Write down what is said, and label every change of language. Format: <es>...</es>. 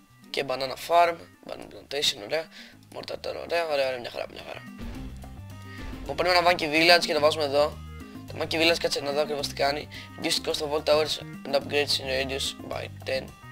<el>Και Banana Farm. Banana Plantation, ωραία. Mortar Tower, ωραία, ωραία, ωραία, μια χαρά, μια χαρά. Μου παίρνουμε ένα Monkey Village και το βάζουμε εδώ. Το Monkey Village κάτσε να δω ακριβώς τι κάνει.</el> <en>Reduce the cost of all towers and upgrades in radius by 10%.</en>